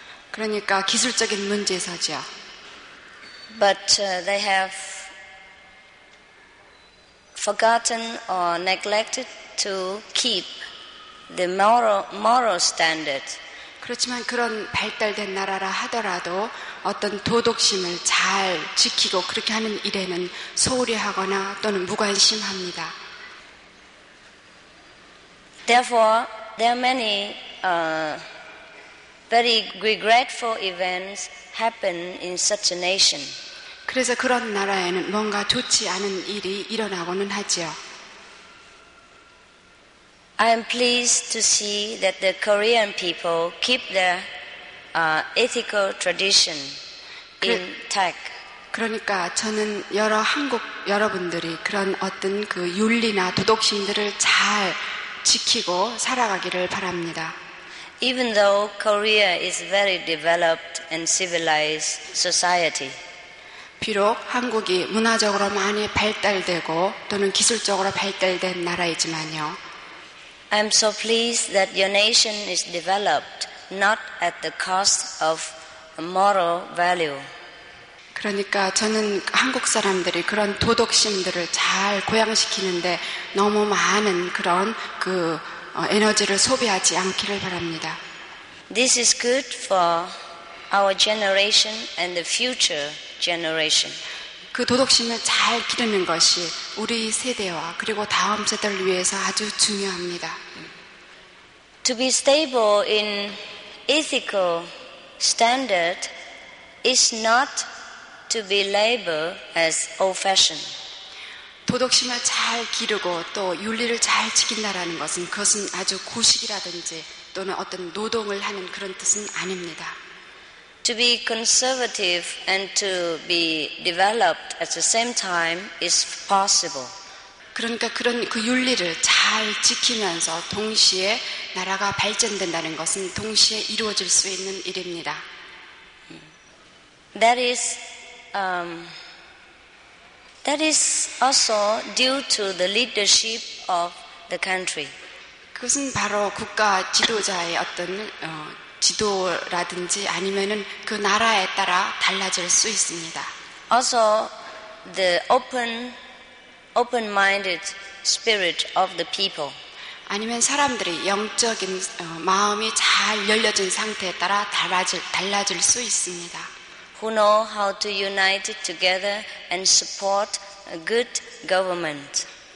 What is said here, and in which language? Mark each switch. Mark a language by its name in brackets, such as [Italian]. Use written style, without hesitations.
[Korean] 그러니까 기술적인 문제에서죠. [English] But they have forgotten or neglected to keep the moral standard. [Korean] 그렇지만 그런 발달된 나라라 하더라도 어떤 도덕심을 잘 지키고 그렇게 하는 일에는 소홀히 하거나 또는 무관심합니다. [English] Therefore, there are many very regretful events happen in such a nation. [Korean] 그래서 그런 나라에는 뭔가 좋지 않은 일이 일어나고는 하지요. [English] I am pleased to see that the Korean people keep their ethical tradition intact. [Korean] 그러니까 저는 여러 한국 여러분들이 그런 어떤 그 윤리나 도덕심들을 잘 지키고 살아가기를 바랍니다. [English] Even though Korea is very developed and civilized society. [Korean] 비록 한국이 문화적으로 많이 발달되고 또는 기술적으로 발달된 나라이지만요. [English] I'm so pleased that your nation is developed not at the cost of moral value. [Korean] 그러니까 저는 한국 사람들이 그런 도덕심들을 잘 고양시키는데 너무 많은 그런 그 에너지를 소비하지 않기를 바랍니다. [English] This is good for our generation and the future generation. [Korean] 그 도덕심을 잘 기르는 것이 우리 세대와 그리고 다음 세대를 위해서 아주 중요합니다. [English] To be stable in ethical standard is not to be labeled as old-fashioned. [Korean] 도덕심을 잘 기르고 또 윤리를 잘 지킨다라는 것은 그것은 아주 고식이라든지 또는 어떤 노동을 하는 그런 뜻은 아닙니다. [English] To be conservative and to be developed at the same time is possible. [Korean] 그러니까 그런 그 윤리를 잘 지키면서 동시에 나라가 발전된다는 것은 동시에 이루어질 수 있는 일입니다. [English] That is also due to the leadership of the country. [Korean] 그것은 바로 국가 지도자의 어떤 지도라든지 아니면은 그 나라에 따라 달라질 수 있습니다. [English] Also, the open-minded spirit of the people. [Korean] 아니면 사람들이 영적인 마음이 잘 열려진 상태에 따라 달라질 수 있습니다. [English] Who know how to unite together and support a good government.